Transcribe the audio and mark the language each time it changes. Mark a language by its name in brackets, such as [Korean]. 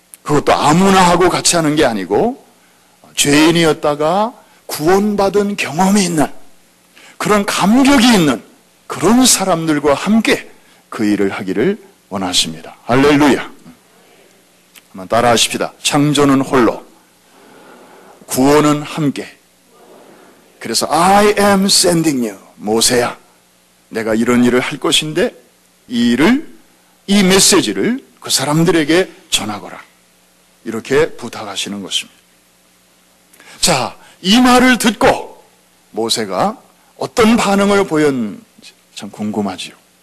[Korean] 그것도 아무나 하고 같이 하는 게 아니고 죄인이었다가 구원받은 경험이 있는 그런 감격이 있는 그런 사람들과 함께 그 일을 하기를 원하십니다. 할렐루야. 한번 따라하십시다. 창조는 홀로 구원은 함께. 그래서 [English] I am sending you, [Korean] 모세야. 내가 이런 일을 할 것인데 이 일을, 이 메시지를 그 사람들에게 전하거라. 이렇게 부탁하시는 것입니다. 자, 이 말을 듣고 모세가 어떤 반응을 보였는지 참 궁금하지요.